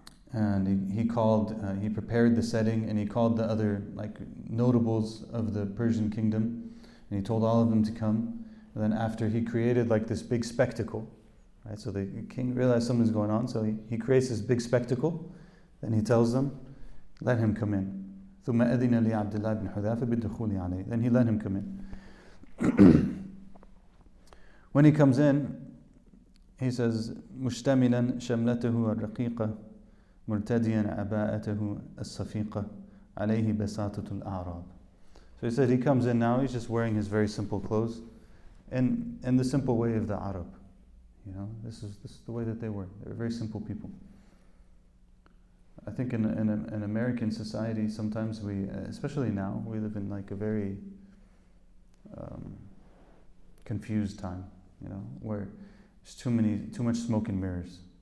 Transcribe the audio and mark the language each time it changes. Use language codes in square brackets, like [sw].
[en] And he prepared the setting, and he called the other like notables of the Persian kingdom, and he told all of them to come. And then after he created like this big spectacle, right? So the king realized something's going on, so he creates this big spectacle, then he tells them, let him come in. [ar] ثم أذن لي عبد الله بن حذافة بالدخول عليه. [en] Then he let him come in. When he comes in, he says, [ar] مشتملا شملته الرقيقة مرتديا عباءته الصفيقة عليه بساطة الأعراب. [en] So he said he comes in now, he's just wearing his very simple clothes in the simple way of the Arab. You know, this is the way that they were. They were very simple people. I think in American society, sometimes we, especially now, we live in like a very confused time, you know, where there's too much smoke and mirrors.